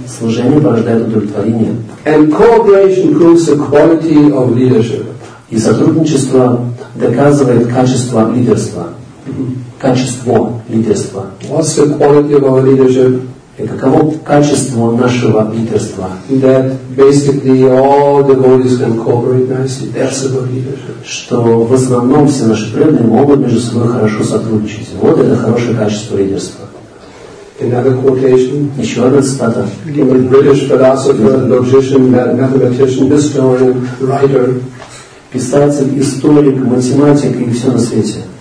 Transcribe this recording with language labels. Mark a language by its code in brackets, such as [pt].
[ru] Служение порождает удовлетворение. [en] And cooperation proves the quality of leadership. [ru] И сотрудничество доказывает качество лидерства. Качество лидерства. [en] What's the quality of our leadership? [ru] И каково качество нашего лидерства? [en] That basically all the devotees can cooperate nicely. That's a good leadership. [ru] Что в основном все наши преданные могут между собой хорошо сотрудничать. Вот это хорошее качество лидерства. [en] Another quotation. [ru] Еще одна цитата. [en] British philosopher, logician, mathematician, historian, writer. [ru] Писатель, историк, математик и все на свете.